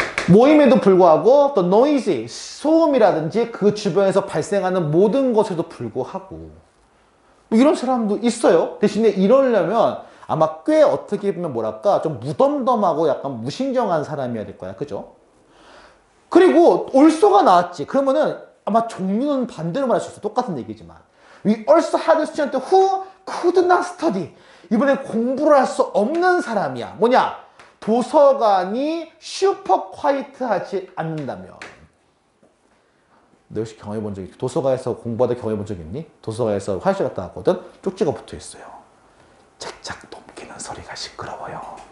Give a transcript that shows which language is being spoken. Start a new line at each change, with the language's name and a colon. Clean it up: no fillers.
Korean: 모임에도 불구하고 또 noisy, 소음이라든지 그 주변에서 발생하는 모든 것에도 불구하고 뭐 이런 사람도 있어요. 대신에 이러려면 아마 꽤 어떻게 보면 뭐랄까 좀 무덤덤하고 약간 무신경한 사람이어야 될 거야. 그죠? 그리고 also가 나왔지. 그러면은 아마 종류는 반대로 말할 수 있어. 똑같은 얘기지만
English: We also had a student who could not study.
Korean: 이번에 공부를 할 수 없는 사람이야. 뭐냐? 도서관이 슈퍼 콰이트하지 않는다면 너 혹시 경험해본 적이 도서관에서 공부하다 경험해본 적 있니? 도서관에서 화장실 갔다 왔거든? 쪽지가 붙어 있어요. 책장 넘기는 소리가 시끄러워요.